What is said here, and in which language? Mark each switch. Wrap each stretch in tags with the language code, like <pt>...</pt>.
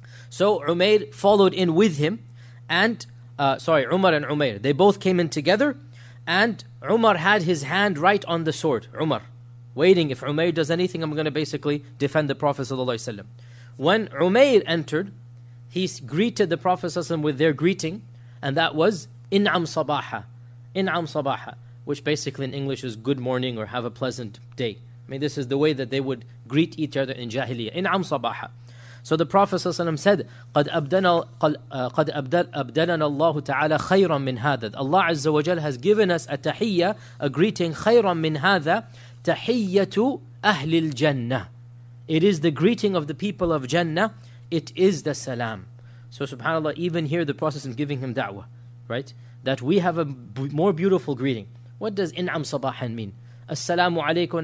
<en>So Umayr followed in with him, and Umar and Umayr, they both came in together, and Umar had his hand right on the sword, Umar, waiting, if Umayr does anything, I'm going to basically defend the Prophet sallallahu alayhi wa sallam. When Umayr entered, he greeted the Prophet sallallahu alayhi wa sallam with their greeting, and that was</en> <ar>in'am sabaha, in'am sabaha,</ar> <en>which basically in English is good morning or have a pleasant day. I mean, this is the way that they would greet each other in Jahiliyyah.</en> <ar>In'am sabaha.</ar> <en>So the Prophet ﷺ said,</en> <ar>قَدْ أَبْدَلَنَا اللَّهُ تَعَالَى خَيْرًا مِّنْ هَذَا.</ar> <en>Allah Azza wa Jal has given us a tahiyya, a greeting,</en> <ar>خَيْرًا مِّنْ هَذَا, تَحِيَّةُ أَهْلِ الْجَنَّةِ.</ar> <en>It is the greeting of the people of Jannah. It is the salam. So subhanAllah, even here the Prophet is giving him da'wah, right? That we have a more beautiful greeting. What does in'am sabahan mean? As-salamu alaykum.</en>